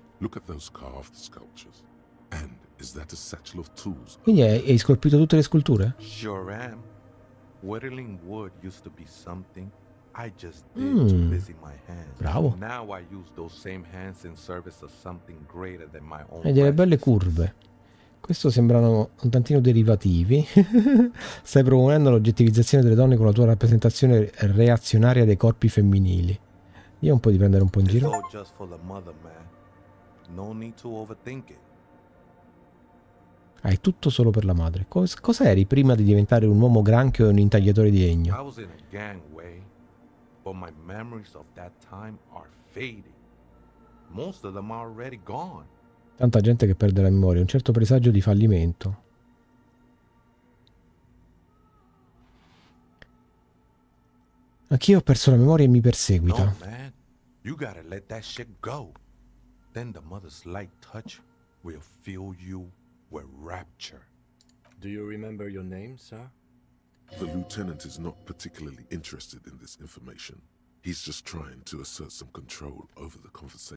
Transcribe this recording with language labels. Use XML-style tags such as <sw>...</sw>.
<en>Look at those carved sculptures. And is that a satchel of tools?</en> <it>Quindi hai scolpito tutte le sculture?</it> <en>Sure am. Whittling wood used to be something I just did to busy my hands.</en> <it>Bravo.</it> <en>Now I use those same hands in service of something greater than my own.</en> <it>E delle belle curve. Questo sembrano un tantino derivativi. Stai promuovendo l'oggettivizzazione delle donne con la tua rappresentazione reazionaria dei corpi femminili. Io un po' di prendere un po' in giro.</it> <en>It's all just for the mother, man. No need to overthink it.</en> <it>Ah, è tutto solo per la madre. Cosa eri prima di diventare un uomo granchio e un intagliatore di legno?</it> <en>I was in a gangway, but my memories of that time are fading. Most of them are already gone.</en> <it>Tanta gente che perde la memoria, un certo presagio di fallimento. Anch'io ho perso la memoria e mi perseguita.</it> <en>No, man. You gotta let that shit go. Then the mother's light touch will fill you with rapture. Do you remember your name, sir? The lieutenant is not particularly interested in this information. He's just trying to assert some control over the conversation.</en>